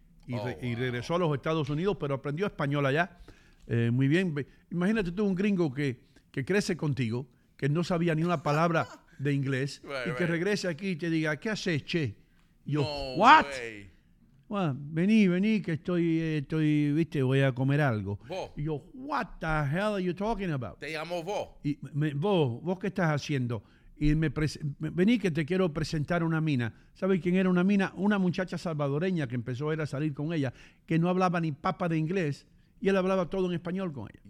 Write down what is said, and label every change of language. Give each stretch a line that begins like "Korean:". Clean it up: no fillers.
Spanish: Y regresó a los Estados Unidos, pero aprendió español allá. Muy bien. Imagínate tú un gringo que crece contigo, que no sabía ni una palabra de inglés,
English: right,
Spanish: que regrese aquí y te diga, ¿qué haces, che? Y yo, no,
English: ¿what? Way.
Spanish: Vení, que estoy, viste, voy a comer algo. Vos. Y yo,
English: what the hell are you talking about?
Spanish: Te llamo vos. Y vos, ¿qué estás haciendo? Y me vení que te quiero presentar una mina. ¿Sabes quién era una mina? Una muchacha salvadoreña que empezó a ir a salir con ella, que no hablaba ni papa de inglés, y él hablaba todo en español con ella.